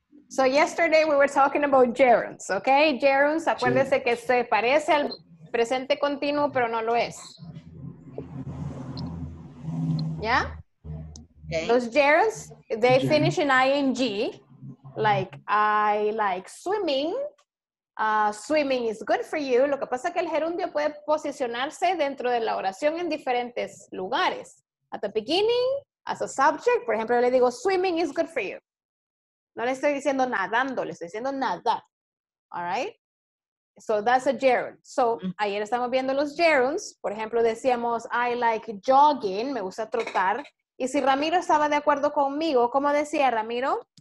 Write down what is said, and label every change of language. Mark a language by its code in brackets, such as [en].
[en] So yesterday we were talking about gerunds, okay? [es] Gerunds, acuérdese que se parece al presente continuo, pero no lo es. ¿Ya? Okay. Los [en] gerunds, they finish in ing, like I like swimming. Swimming is good for you. [es] Lo que pasa es que el gerundio puede posicionarse dentro de la oración en diferentes lugares. [en] At the beginning, as a subject, [es] por ejemplo, yo le digo, [en] swimming is good for you. [es] No le estoy diciendo nadando, le estoy diciendo nada. [en] All right? So that's a gerund. [es] So, ayer estamos viendo los gerunds. Por ejemplo, decíamos, [en] I like jogging, [es] me gusta trotar. Y si Ramiro estaba de acuerdo conmigo, ¿cómo decía Ramiro?